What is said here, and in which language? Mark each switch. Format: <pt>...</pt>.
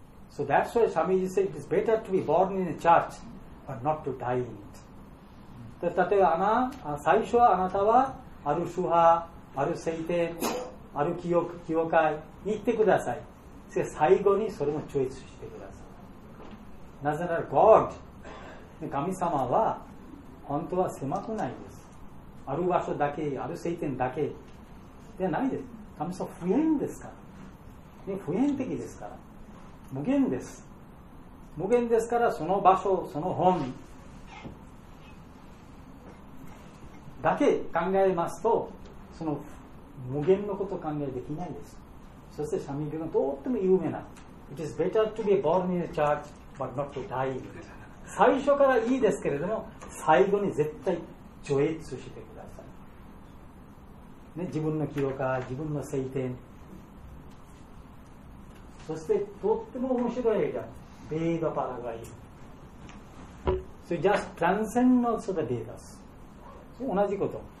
<en>So that's why Swamiji said it is better to be born in a church, but not to die in it.</en> <ja>例えば最初はあなたはある宗派、ある聖典、ある教会に行ってください。最後にそれも超越してください。なぜなら God、神様は本当は狭くないです。ある場所だけ、ある聖典だけではないです。神様は普遍ですから。普遍的ですから。無限です。無限ですから、その場所、その本、だけ考えますと、その無限のことを考えできないです。そして、三味線がとっても有名な。</ja> <en>It is better to be born in a church, but not to die.</en> <ja>最初からいいですけれども、最後に絶対超越してください。ね、自分の記憶か、自分の聖典。そして、とっても面白い映画、ベーダパラガイ。</ja> <en>So just transcend also the Vedas.</en> <ja>同じこと。</ja>